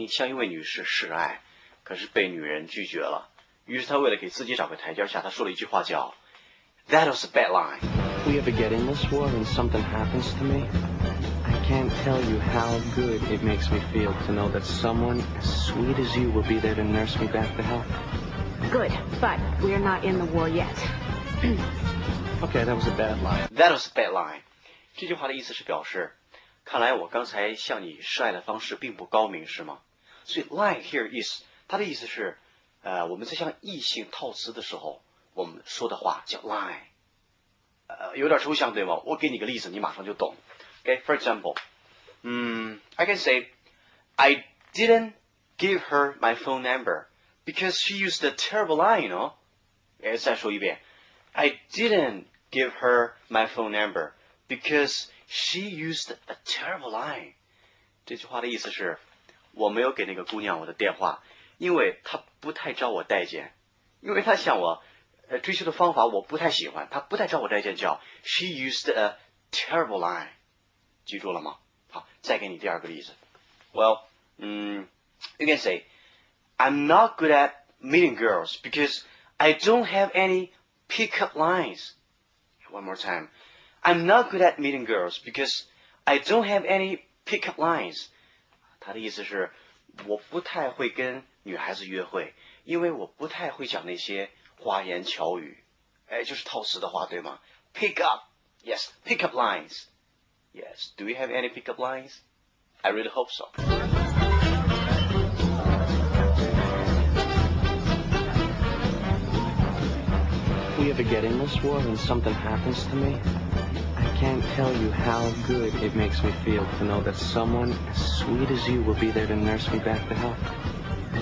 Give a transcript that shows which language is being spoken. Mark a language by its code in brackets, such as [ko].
[zh] 影片里有这么一个情节，一个男士的军官啊，想向一位女士示爱， 可是被女人拒绝了，于是他为了给自己找个台阶下，他说了一句话叫 [en] That was a bad line. We ever get in this war when something happens to me? I can't. can't tell you how good it makes me feel to know that someone as sweet as you will be there to nurse me back to health. Good, but we're not in the war yet. Okay, that was a bad line. That was a bad line. [zh] 这句话的意思是表示，看来我刚才向你示爱的方式并不高明，是吗？所以 [en] lie here is [zh] 它的意思是，我们在向异性套词的时候，我们说的话叫 lie。有点抽象，对吗？我给你个例子，你马上就懂。 [en] Okay, for example, I can say, I didn't give her my phone number because she used a terrible line, you know? Okay, [zh] 再说一遍。 [en] I didn't give her my phone number because she used a terrible line. [zh] 这句话的意思是，我没有给那个姑娘我的电话，因为她不太招我待见，因为她向我追求的方法我不太喜欢，她不太招我待见，叫 [en] She used a terrible line. [zh] 记住了吗？好，再给你第二个例子。 [en] Well, you can say, I'm not good at meeting girls because I don't have any pickup lines. One more time. I'm not good at meeting girls because I don't have any pickup lines. [zh] 他的意思是，我不太会跟女孩子约会，因为我不太会讲那些花言巧语。哎，就是套词的话，对吗？ [en] Pick up. Yes, pick up lines. Yes, do you have any pickup lines? I really hope so. If we ever get in this war and something happens to me, I can't tell you how good it makes me feel to know that someone as sweet as you will be there to nurse me back to health.